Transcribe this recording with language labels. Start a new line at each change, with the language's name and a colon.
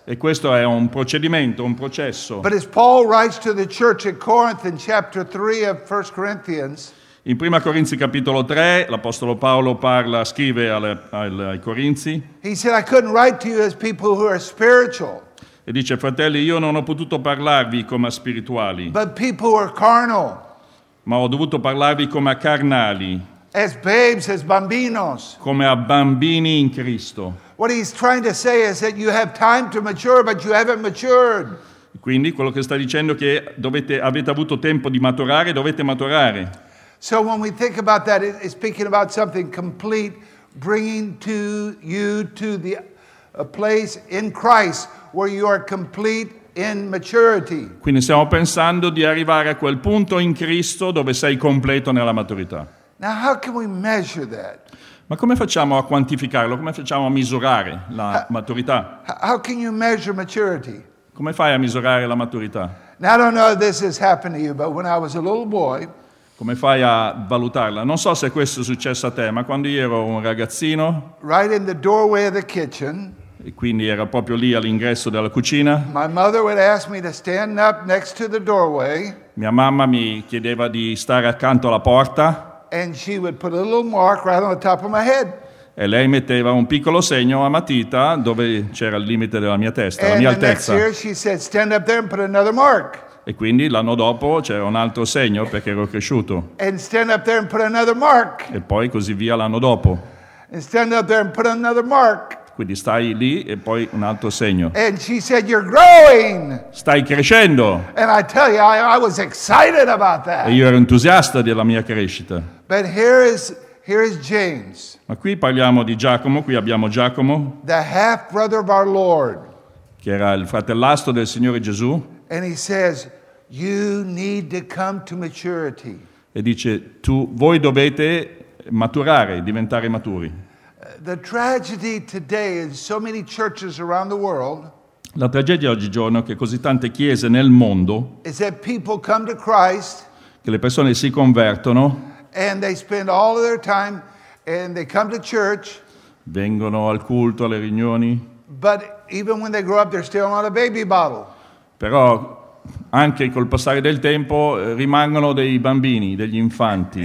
Italian: E questo è un procedimento, un processo.
English: But as Paul writes to the church at Corinth in chapter 3 of 1 Corinthians.
Italian: In Prima Corinzi capitolo 3, l'apostolo Paolo parla, scrive ai Corinzi.
English: He said, I couldn't write to you as people who are spiritual.
Italian: E dice: fratelli, io non ho potuto parlarvi come spirituali.
English: But people who are carnal.
Italian: Ma ho dovuto parlarvi come carnali.
English: As babes, as bambinos.
Italian: Come a bambini in Cristo.
English: What he's trying to say is that you have time to mature, but you haven't matured.
Italian: Quindi quello che sta dicendo è che avete avuto tempo di maturare, dovete maturare.
English: So when we think about that, it's speaking about something complete, bringing to you to the place in Christ where you are complete in maturity.
Italian: Quindi stiamo pensando di arrivare a quel punto in Cristo dove sei completo nella maturità.
English: Now how can we measure that?
Italian: Ma come facciamo a quantificarlo? Come facciamo a misurare la maturità?
English: How can you measure maturity?
Italian: Come fai a misurare la maturità?
English: Now I don't know if this has happened to you, but when I was a little boy.
Italian: Come fai a valutarla? Non so se questo è successo a te, ma quando io ero un ragazzino.
English: Right in the doorway of the kitchen.
Italian: e quindi era proprio lì all'ingresso della cucina.
English: My mother would ask me to stand up next to the doorway.
Italian: Mia mamma mi chiedeva di stare accanto alla porta.
English: And she would put a little mark right on the top of my head.
Italian: E lei metteva un piccolo segno a matita dove c'era il limite della mia testa, la mia altezza.
English: And the next year she said, stand up there and put another mark.
Italian: E quindi l'anno dopo c'era un altro segno perché ero cresciuto.
English: And stand up there and put another mark.
Italian: E poi così via l'anno dopo.
English: And stand up there and put another mark.
Italian: Quindi stai lì e poi un altro segno.
English: And she said, you're growing.
Italian: Stai crescendo.
English: And I tell you, I was excited about that.
Italian: E io ero entusiasta della mia crescita.
English: But here is James.
Italian: Ma qui parliamo di Giacomo, qui abbiamo Giacomo.
English: The half brother of our Lord.
Italian: Che era il fratellastro del Signore Gesù.
English: And he says, you need to come to maturity.
Italian: E dice, voi dovete maturare, diventare maturi.
English: The tragedy today is so many churches around the world.
Italian: La tragedia oggigiorno è che così tante chiese nel mondo.
English: Is that people come to Christ.
Italian: Che le persone si convertono.
English: And they spend all of their time and they come to church.
Italian: Vengono al culto, alle riunioni.
English: But even when they grow up, they're still not a baby bottle.
Italian: Però anche col passare del tempo rimangono dei bambini, degli infanti.